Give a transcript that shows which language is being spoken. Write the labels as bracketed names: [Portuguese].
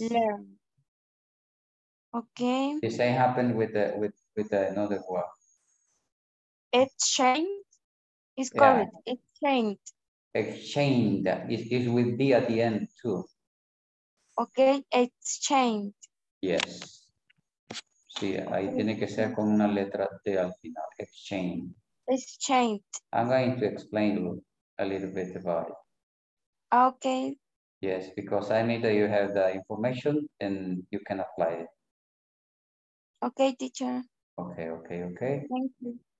[English] Learned. Okay. The same happened with another word. It changed. It's called it changed. Exchanged is with D at the end too. Okay, exchanged. Yes. [Spanish] Sí, ahí tiene que ser con una letra D al final. [English] Exchanged. Exchanged. I'm going to explain you a little bit about it. Okay. Yes, because I need that you have the information and you can apply it. Okay, teacher. Okay. Thank you.